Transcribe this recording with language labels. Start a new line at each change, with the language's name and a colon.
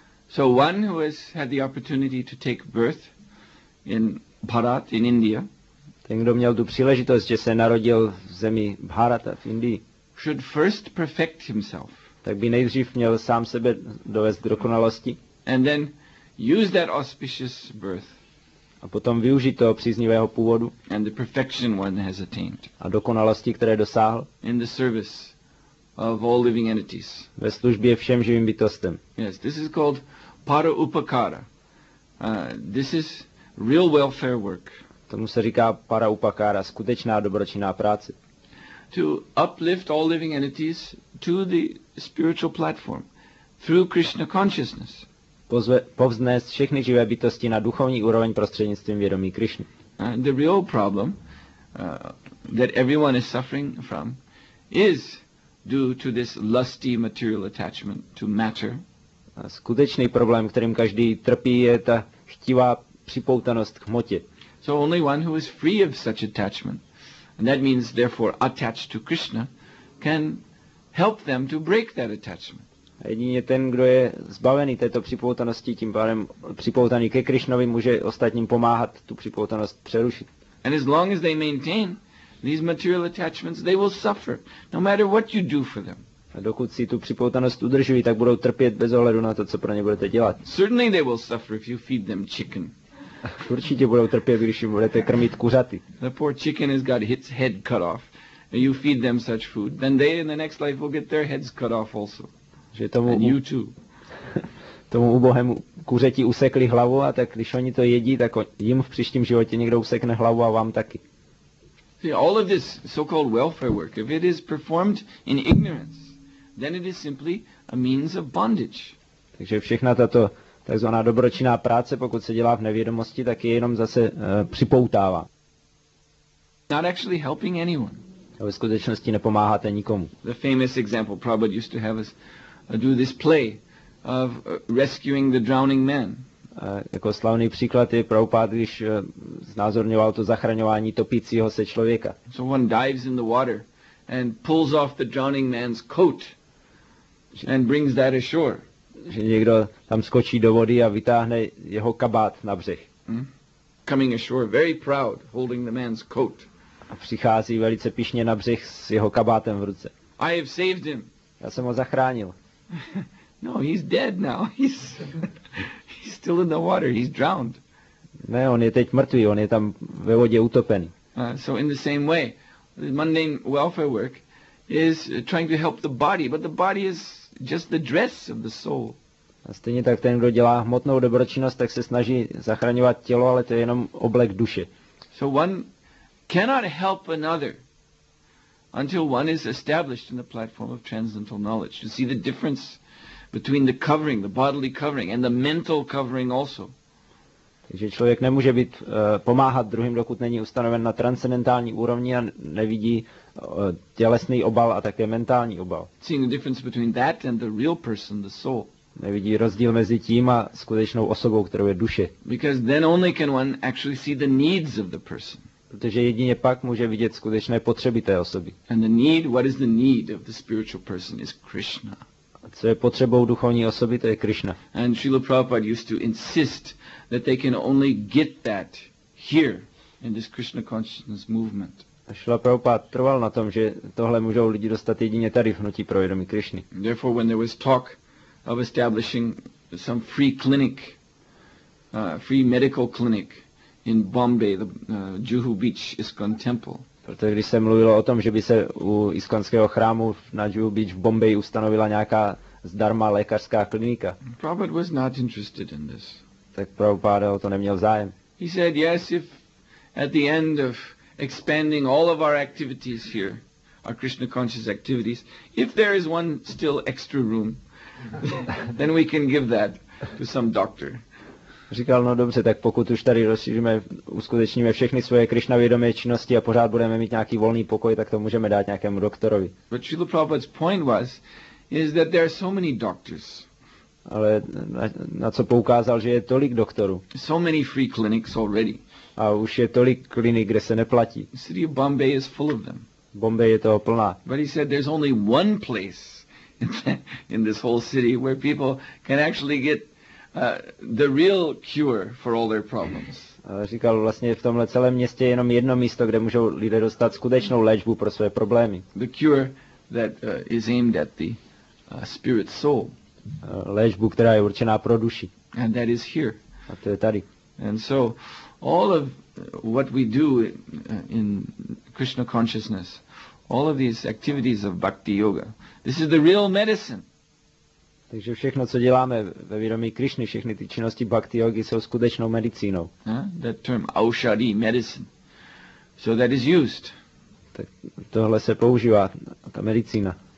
English: So one who has had the opportunity to take birth in Bharat, in India,
Czech: ten, kdo měl tu příležitost, že se narodil v zemi Bharata, v Indii,
English: should first perfect himself.
Czech: Tak by nejdřív měl sám sebe dovést k dokonalosti.
English: And then use that auspicious birth.
Czech: A potom využít toho příznivého původu.
English: And the perfection one has attained.
Czech: A dokonalosti, které dosáhl.
English: In the service of all living entities.
Czech: Ve službě všem živým bytostem.
English: Yes, this is called para upakara. This is real welfare work.
Czech: Tomu se říká para upakara, skutečná dobročinná práce.
English: To uplift all living entities to the spiritual platform through Krishna consciousness.
Czech: Povznést všechny živé bytosti na duchovní úroveň prostřednictvím vědomí Krishny.
English: The real problem that everyone is suffering from is due to this lusty material attachment to matter.
Czech: A skutečný problém, kterým každý trpí, je ta chtivá připoutanost k hmotě.
English: So only one who is free of such attachment, and that means therefore attached to Krishna, can help them to break that attachment.
Czech: A jedině ten, kdo je zbavený této připoutanosti, tím pádem připoutaný ke Krishnovi, může ostatním pomáhat tu připoutanost přerušit.
English: And as long as they maintain these material attachments, they will suffer, no matter what you do for them.
Czech: A dokud si tu připoutanost udržují, tak budou trpět bez ohledu na to, co pro ně budete dělat.
English: Certainly they will suffer if you feed them chicken.
Czech: Určitě budou trpět, když jim budete krmit kuřaty.
English: The poor chicken has got its head cut off. And you feed them such food, then they in the next life will get their heads cut off also.
Czech: Že tomu
English: and you too.
Czech: Tomu ubohému kuřeti usekli hlavu, a tak když oni to jedí, tak jim v příštím životě někdo usekne hlavu a vám taky.
English: See, all of this so-called welfare work, if it is performed in ignorance, then it is simply a means of bondage.
Czech: Takže všechna tato takzvaná dobročinná práce, pokud se dělá v nevědomosti, tak je jenom zase připoutává.
English: Not actually helping anyone.
Czech: A ve skutečnosti nepomáháte nikomu.
English: The famous example Prabhupada used to have us do this play of rescuing the drowning man.
Czech: Jako slavný příklad je Prabhupada, když znázorňoval to zachraňování topícího se člověka.
English: So one dives in the water and pulls off the drowning man's coat and brings that ashore.
Czech: Že někdo tam skočí do vody a vytáhne jeho kabát na břeh.
English: Coming ashore very proud, holding the man's coat.
Czech: A přichází velice pyšně na břeh s jeho kabátem v ruce.
English: I have saved him.
Czech: Já jsem ho zachránil.
English: No, he's dead now. He's still in the water. He's drowned.
Czech: Ne, on je teď mrtvý, on je tam ve vodě utopen.
English: So in the same way, the mundane welfare work is trying to help the body, but the body is just the dress of the soul.
Czech: A stejně tak ten, kdo dělá hmotnou dobročinnost, tak se snaží zachraňovat tělo, ale to je jenom oblek duše.
English: So one cannot help another until one is established in the platform of transcendental knowledge. You see the difference between the covering, the bodily covering, and the mental covering also.
Czech: Takže člověk nemůže být pomáhat druhým, dokud není ustanoven na transcendentální úrovni a nevidí tělesný obal a také mentální obal.
English: Seeing the difference between that and the real person, the soul.
Czech: Nevidí rozdíl mezi tím a skutečnou osobou, kterou je duše.
English: Because then only can one actually see the needs of the person.
Czech: Protože jedině pak může vidět skutečné potřeby té osoby.
English: And the need, what is the need of the spiritual person is Krishna.
Czech: Co je potřebou duchovní osoby, to je Krishna.
English: And Srila Prabhupada used to insist that they can only get that here in this Krishna consciousness movement.
Czech: A Srila Prabhupada trval na tom, že tohle můžou lidi dostat jedině tady v hnutí pro vědomí Krishny.
English: Therefore when there was talk of establishing some free clinic, free medical clinic in Bombay, the Juhu Beach ISKCON temple.
Czech: Protože když se mluvilo o tom, že by se u iskonského chrámu na Juhu Beach v Bombay ustanovila nějaká zdarma lékařská klinika.
English: Prabhupada was not interested in this.
Czech: Tak Prabhupada o to neměl zájem.
English: He said, yes, if at the end of expanding all of our activities here, our Krishna conscious activities, if there is one still extra room, then we can give that to some doctor.
Czech: Říkal, no dobře, tak pokud už tady rozšíříme, uskutečníme všechny svoje Krishna vědomé činnosti a pořád budeme mít nějaký volný pokoj, tak to můžeme dát nějakému doktorovi.
English: But Srila Prabhupada's point was, is that there are so many doctors.
Czech: Ale na co poukázal, že je tolik doktorů.
English: So many free clinics already.
Czech: A už je tolik klinik, kde se neplatí.
English: City of Bombay is full of them.
Czech: Bombay je toho plná.
English: But he said there's only one place in this whole city where people can actually get the real cure for all their problems.
Czech: Říkal, vlastně v tomhle celém městě je jenom jedno místo, kde můžou lidé dostat skutečnou léčbu pro své problémy.
English: The cure that is aimed at the spirit soul.
Czech: Léčbu, která je určená pro duši.
English: And that is here.
Czech: A to je tady.
English: And so all of what we do in Krishna consciousness, all of these activities of bhakti yoga, this is the real medicine.
Czech: Takže všechno, co děláme ve vědomí Krišny, všechny ty činnosti bhakti yogi jsou skutečnou medicínou.
English: That term aushadi, medicine. So that is used.
Czech: Tak tohle se používá, ta medicína.